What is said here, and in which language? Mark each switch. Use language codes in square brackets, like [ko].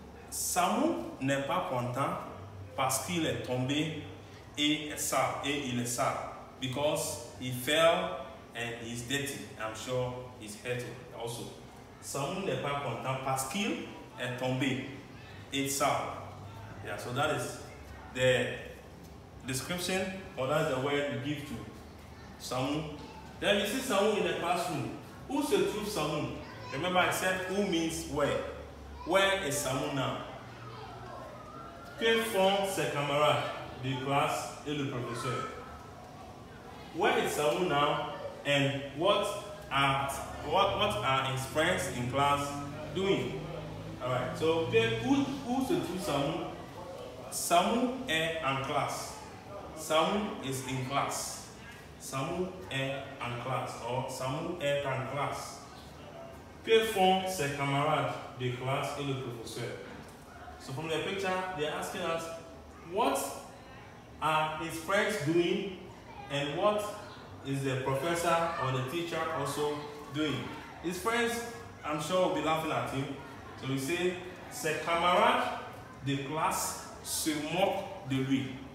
[fr] Samu n'est pas content parce qu'il est tombé et il est sale. [en] Because he fell and he's dirty. I'm sure he's hurt also. [fr] Samu n'est pas content parce qu'il est tombé et sale. [en] Yeah, so that is the description, or that's the word we give to Samu. Then you see Samu in the classroom. Who [fr] se trouve [en] Samu? Remember I said who means where. Where is Samu now? [fr] Que font ses camarades de classe et le professeur? [en] Where is Samu now? And what are his friends in class doing? Alright, so who [fr] se trouve Samu? Samu est en classe. [en] Samu is in class. [fr] Samu est en classe, or Samu est en classe. Que font ses camarades de classe et le professeur? [en] So from the picture, they're asking us, what are his friends doing, and what is the professor or the teacher also doing? His friends, I'm sure, will be laughing at him. So we say, [fr] ses camarades de classe se moquent de lui.